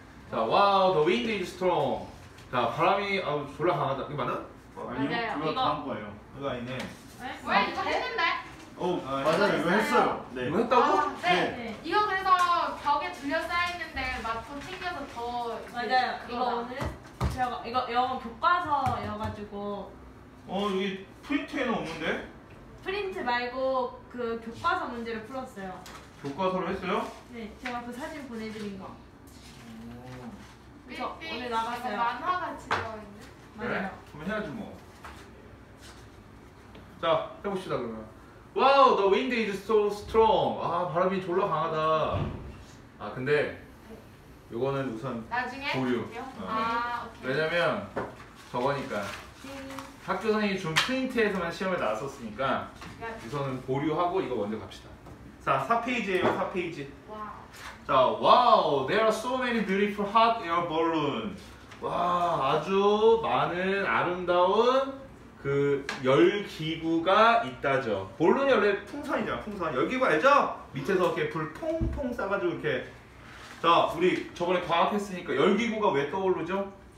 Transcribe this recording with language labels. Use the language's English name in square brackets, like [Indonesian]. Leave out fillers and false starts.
[English] 자, 와우, the wind is strong. [Korean] 자, 바람이 아, 졸라 강하다. 이게 맞나? 아니요, 그거 다음 거예요. 그거 아니네. 왜? 이거 했는데? 오, 아, 맞아요. 이거 했어요. 네. 이거 했다고? 아, 네. 네. 네. 이거 그래서 벽에 둘러싸있는데 맞춰 챙겨서 더... 맞아요. 이거는 제가 이거 영어 교과서여가지고 어, 여기 프린트에는 없는데? 프린트 말고 그 교과서 문제를 풀었어요. 교과서로 했어요? 네, 제가 그 사진 보내드린 거. 오. 저 오늘 나갔어요. 만화같이 되어있네. 맞아요. 그래? 그럼 해야지 뭐. 자, 해봅시다 그러면. [English] 와우, wow, the wind is so strong. [Korean] 아, 바람이 졸라 강하다. 아, 근데 요거는 우선 나중에 보류. 어. 아, 오케이. 왜냐면 저거니까. 학교 선생님이 준 프린트에서만 시험에 나왔었으니까 우선은 보류하고 이거 먼저 갑시다. 자, 4페이지예요, 4페이지. 와. [English] 자, 와우, wow, there are so many beautiful hot air balloons. [Korean] 와, 아주 많은 아름다운 그 열기구가 있다죠. 볼론이 원래 풍선이잖아, 풍선. 열기구 알죠? 밑에서 이렇게 불 퐁퐁 싸가지고 이렇게. 자, 우리 저번에 과학했으니까 열기구가 왜 떠오르죠?